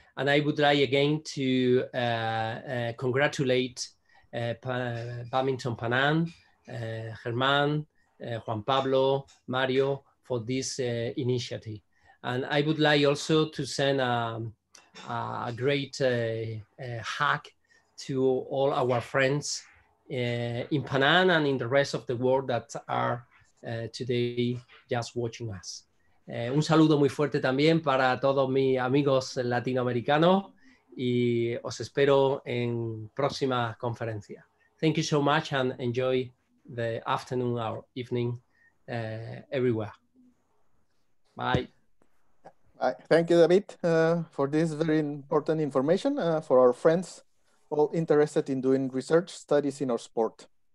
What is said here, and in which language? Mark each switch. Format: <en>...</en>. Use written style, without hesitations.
<en>And I would like again to congratulate Badminton Panam, Germán, Juan Pablo, Mario for this initiative. And I would like also to send a great hug to all our friends in Panam and in the rest of the world that are today just watching us.</en> <es>Un saludo muy fuerte también para todos mis amigos latinoamericanos y os espero en próxima conferencia.</es> <en>Thank you so much and enjoy the afternoon or evening everywhere. Bye. Thank you, David, for this very important information for our friends all interested in doing research studies in our sport.</en>